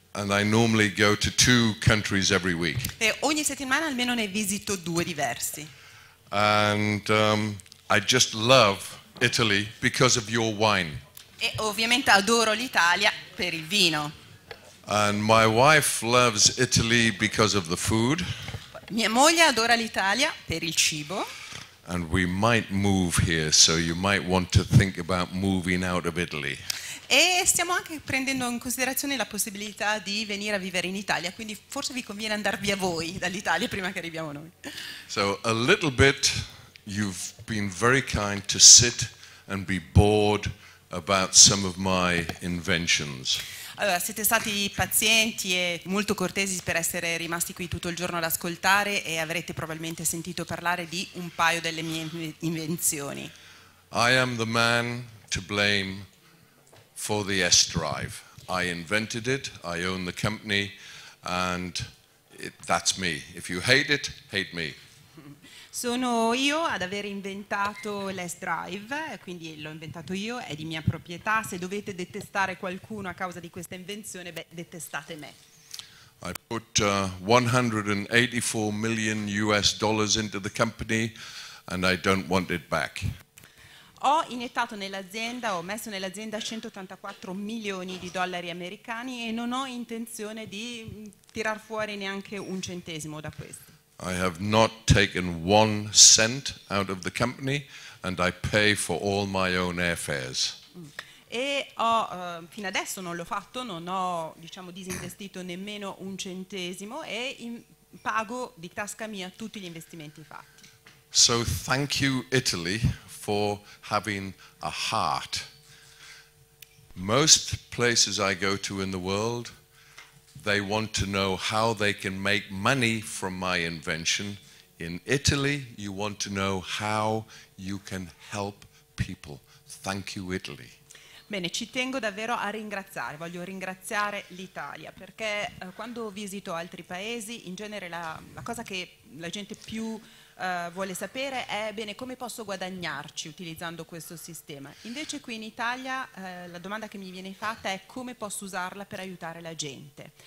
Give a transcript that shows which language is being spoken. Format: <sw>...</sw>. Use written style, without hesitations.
<en>And I normally go to two countries every week.</en> <it>E ogni settimana almeno ne visito due diversi.</it> <en>And I just love Italy because of your wine.</en> <it>E ovviamente adoro l'Italia per il vino.</it> <en>And my wife loves Italy because of the food.</en> <it>Mia moglie adora l'Italia per il cibo.</it> <en>And we might move here, so you might want to think about moving out of Italy.</en> <it>E stiamo anche prendendo in considerazione la possibilità di venire a vivere in Italia, quindi forse vi conviene andare via voi dall'Italia prima che arriviamo noi.</it> <en>So a little bit you've been very kind to sit and be bored about some of my inventions.</en> <it>Allora, siete stati pazienti e molto cortesi per essere rimasti qui tutto il giorno ad ascoltare e avrete probabilmente sentito parlare di un paio delle mie invenzioni.</it> <en>I am the man to blame for the S drive. I invented it, I own the company and that's me. If you hate it, hate me.</en> <it>Sono io ad aver inventato l'S Drive, quindi l'ho inventato io, è di mia proprietà. Se dovete detestare qualcuno a causa di questa invenzione, beh, detestate me.</it> <en>I put $184 million into the company and I don't want it back.</en> <it>Ho iniettato nell'azienda, ho messo nell'azienda $184 million e non ho intenzione di tirar fuori neanche un centesimo da questo.</it> <en>I have not taken 1 cent out of the company and I pay for all my own airfares.</en> <it>E ho, fino adesso non l'ho fatto, non ho, diciamo, disinvestito nemmeno un centesimo e pago di tasca mia tutti gli investimenti fatti.</it> <en>So thank you Italy for having a heart. Most places I go to in the world, they want to know how they can make money from my invention. In Italy, you want to know how you can help people. Thank you, Italy.</en> <it>Bene, ci tengo davvero a ringraziare, voglio ringraziare l'Italia, perché quando visito altri paesi, in genere la cosa che la gente più vuole sapere è, bene, come posso guadagnarci utilizzando questo sistema? Invece qui in Italia la domanda che mi viene fatta è come posso usarla per aiutare la gente.</it>